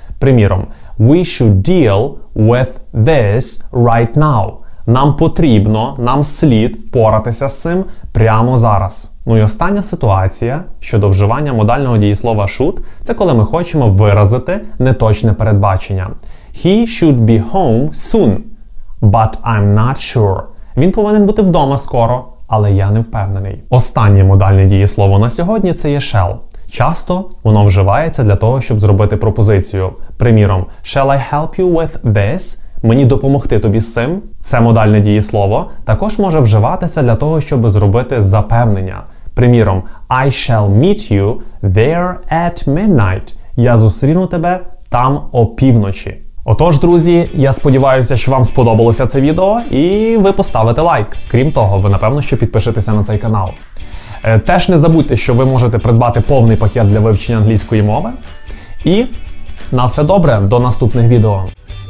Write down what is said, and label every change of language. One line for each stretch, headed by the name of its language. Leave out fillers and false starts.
Ukrainian: Приміром,
English: we should deal with this right now.
Ukrainian: Нам потрібно, нам слід впоратися з цим прямо зараз. Ну і остання ситуація щодо вживання модального дієслова should – це коли ми хочемо виразити неточне передбачення.
English: He should be home soon, but I'm not sure.
Ukrainian: Він повинен бути вдома скоро, але я не впевнений. Останнє модальне дієслово на сьогодні – це є shall. Часто воно вживається для того, щоб зробити пропозицію. Приміром,
English: shall I help you with this?
Ukrainian: Мені допомогти тобі з цим? Це модальне дієслово також може вживатися для того, щоб зробити запевнення. Приміром,
English: I shall meet you there at midnight.
Ukrainian: Я зустріну тебе там о півночі. Отож, друзі, я сподіваюся, що вам сподобалося це відео і ви поставите лайк. Крім того, ви напевно, що підпишетеся на цей канал. Теж не забудьте, що ви можете придбати повний пакет для вивчення англійської мови. І на все добре, до наступних відео!